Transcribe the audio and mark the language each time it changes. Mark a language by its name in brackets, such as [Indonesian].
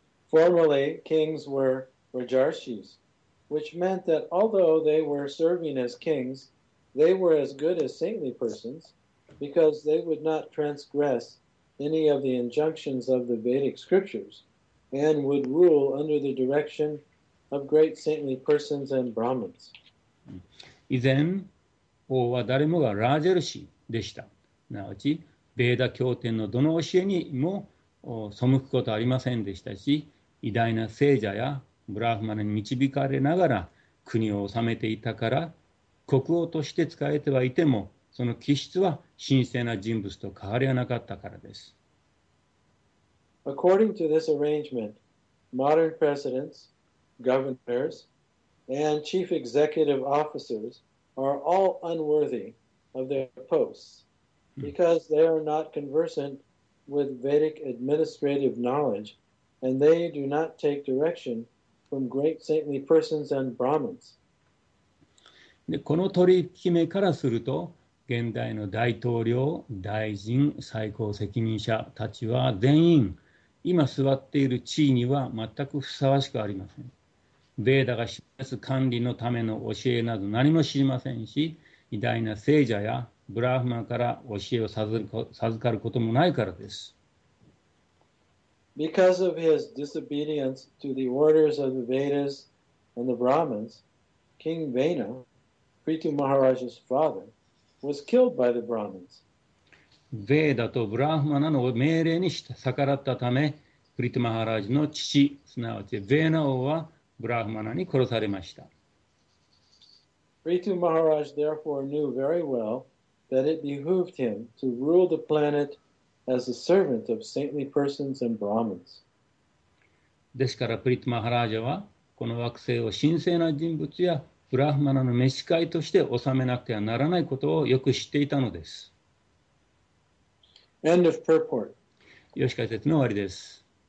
[English] Formerly, kings were Rajarshis, which meant that although they were serving as kings, they were as good as saintly persons because they would not transgress any of the injunctions of the Vedic scriptures and would rule under the direction of great saintly persons and Brahmins. [Japanese] 以前、王は誰もがラジャルシでした。なおち、ベーダ経典のどの教えにも背くことはありませんでしたし、偉大な聖者やブラフマネに導かれながら国を治めていたから、国王として仕えてはいても、その気質は神聖な人物と変わりはなかったからです。 [English] According to this arrangement, modern presidents, governors, and chief executive officers are all unworthy. Of their posts, because they are not conversant with Vedic administrative knowledge, and they do not take direction from great saintly persons and Brahmins. [Japanese] で、この取り決めからすると、現代の大統領、大臣、最高責任者たちは全員、今座っている地位には全くふさわしくありません。ベーダが示す管理のための教えなど何も知りませんし、偉大な聖者やブラフマから教えを授かることもないからです。 [English] Because of his disobedience to the orders of the Vedas and the Brahmins, King Vena, Prithu Maharaja's father, was killed by the Brahmins. [Japanese] ヴェーダとブラフマの命令に逆らったため、プリトゥ・マハラジの父、すなわちヴェーナ王はブラフマに殺されました。 [English] Prithu Maharaj therefore knew very well that it behooved him to rule the planet as a servant of saintly persons and Brahmins. [Japanese] ですから、プリトゥ・マハラジャはこの惑星を神聖な人物やブラフマナの召使として治めなくてはならないことをよく知っていたのです。 [English] End of purport. [Japanese] よし解説の終わりです。